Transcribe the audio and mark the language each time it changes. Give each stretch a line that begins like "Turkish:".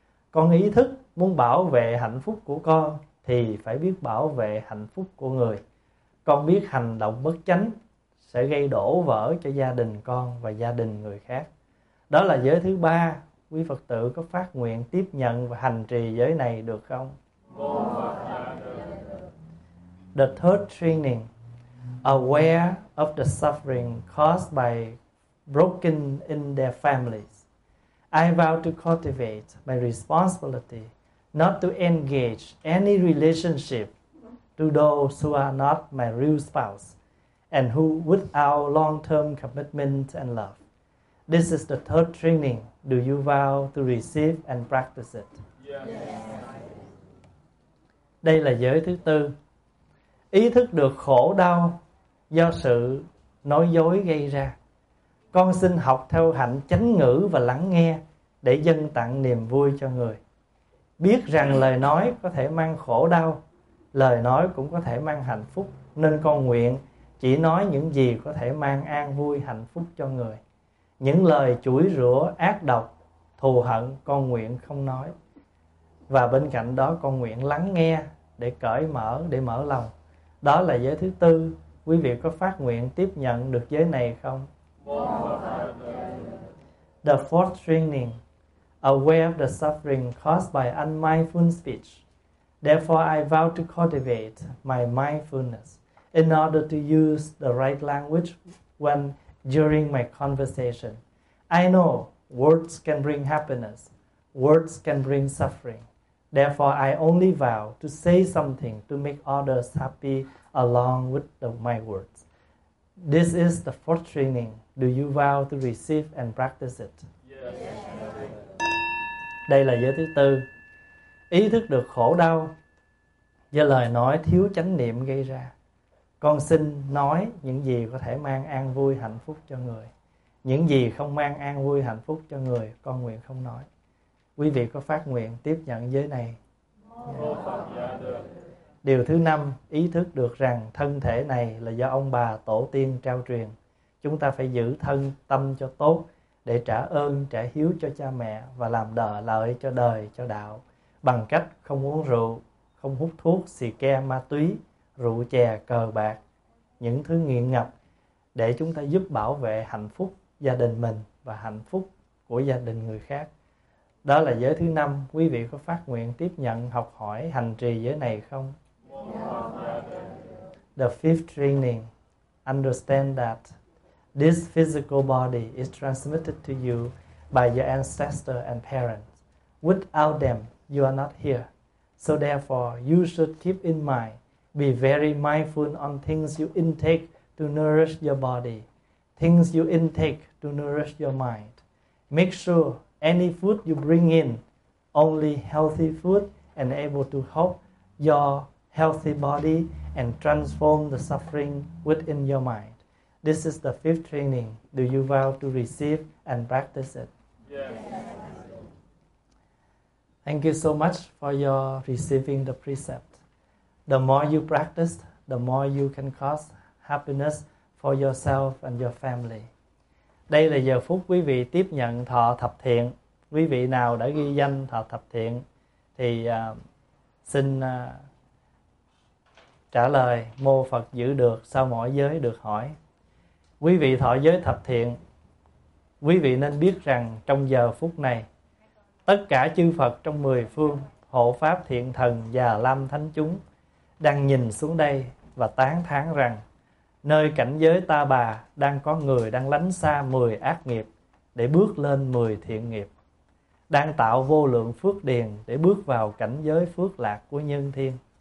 Vietnamese: Con ý thức muốn bảo vệ hạnh phúc của con thì phải biết bảo vệ hạnh phúc của người. Con biết hành động bất chánh sẽ gây đổ vỡ cho gia đình con và gia đình người khác. Đó là giới thứ ba. Quý Phật tử có phát nguyện tiếp nhận và hành trì giới này được không?
English: The third training, aware of the suffering caused by broken in their families. I vow to cultivate my responsibility not to engage any relationship to those who are not my real spouse and who without long-term commitment and love. This is the third training. Do you vow to receive and practice it? Yes.
Vietnamese: Đây là giới thứ tư. Ý thức được khổ đau do sự nói dối gây ra. Con xin học theo hạnh chánh ngữ và lắng nghe để dâng tặng niềm vui cho người. Biết rằng lời nói có thể mang khổ đau, lời nói cũng có thể mang hạnh phúc, nên con nguyện chỉ nói những gì có thể mang an vui hạnh phúc cho người. Những lời chửi rủa ác độc, thù hận con nguyện không nói. Và bên cạnh đó con nguyện lắng nghe để cởi mở, để mở lòng. Đó là giới thứ tư. Quý vị có phát nguyện tiếp nhận được giới này không?
English: The fourth training, aware of the suffering caused by unmindful speech. Therefore, I vow to cultivate my mindfulness in order to use the right language when during my conversation. I know words can bring happiness, words can bring suffering. Therefore, I only vow to say something to make others happy along with my words. This is the fourth training. Do you vow to receive and practice it? Yes.
Vietnamese: Đây là giới thứ tư. Ý thức được khổ đau do lời nói thiếu chánh niệm gây ra. Con xin nói những gì có thể mang an vui hạnh phúc cho người. Những gì không mang an vui hạnh phúc cho người, con nguyện không nói. Quý vị có phát nguyện tiếp nhận giới này? Điều thứ năm, ý thức được rằng thân thể này là do ông bà tổ tiên trao truyền. Chúng ta phải giữ thân tâm cho tốt để trả ơn, trả hiếu cho cha mẹ và làm lợi cho đời, cho đạo. Bằng cách không uống rượu, không hút thuốc, xì ke, ma túy, rượu chè, cờ bạc, những thứ nghiện ngập, để chúng ta giúp bảo vệ hạnh phúc gia đình mình và hạnh phúc của gia đình người khác. Đó là giới thứ năm. Quý vị có phát nguyện tiếp nhận, học hỏi, hành trì giới này không?
English: The fifth training, understand that this physical body is transmitted to you by your ancestor and parents. Without them, you are not here. So therefore, you should keep in mind, be very mindful on things you intake to nourish your body, things you intake to nourish your mind. Make sure any food you bring in, only healthy food and able to help your healthy body and transform the suffering within your mind. This is the fifth training. Do you vow to receive and practice it? Yes. Thank you so much for your receiving the precept. The more you practice, the more you can cause happiness for yourself and your family.
Vietnamese: Đây là giờ phút quý vị tiếp nhận thọ thập thiện. Quý vị nào đã ghi danh thọ thập thiện thì xin trả lời mô Phật giữ được sau mỗi giới được hỏi. Quý vị thọ giới thập thiện, quý vị nên biết rằng trong giờ phút này, tất cả chư Phật trong mười phương, hộ pháp thiện thần và lam thánh chúng đang nhìn xuống đây và tán thán rằng nơi cảnh giới ta bà đang có người đang lánh xa 10 ác nghiệp để bước lên 10 thiện nghiệp, đang tạo vô lượng phước điền để bước vào cảnh giới phước lạc của nhân thiên.